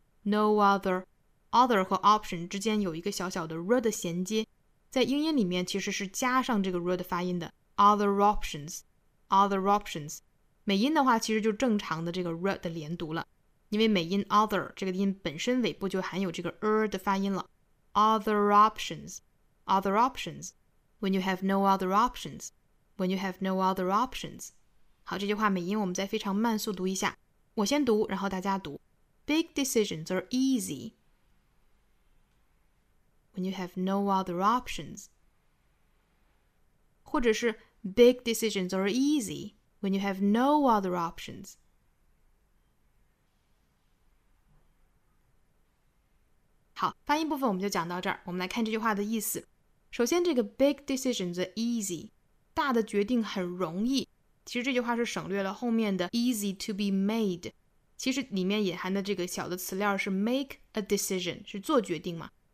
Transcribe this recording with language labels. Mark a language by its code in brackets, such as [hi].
[en] No other. [zh] Other 和 option 之间有一个小小的 r 的衔接，在英音里面其实是加上这个 r 的发音的。 [en] Other options. Other options. [zh] 美音的话其实就正常的这个 r 的连读了，因为美音 other 这个音本身尾部就含有这个 r 的发音了。 [en] Other options. Other options. When you have no other options, when you have no other options. [zh] 好，这句话美音我们再非常慢速读一下。我先读，然后大家读。 [en] Big decisions are easy when you have no other options. 或者是 Big decisions are easy when you have no other options. [zh] 好，发音部分我们就讲到这儿。我们来看这句话的意思。首先这个 [en] big decisions are easy， [zh] 大的决定很容易，其实这句话是省略了后面的 [en] easy to be made， [zh] 其实里面隐含的这个小的词料是 [en] make a decision， [zh] 是做决定嘛。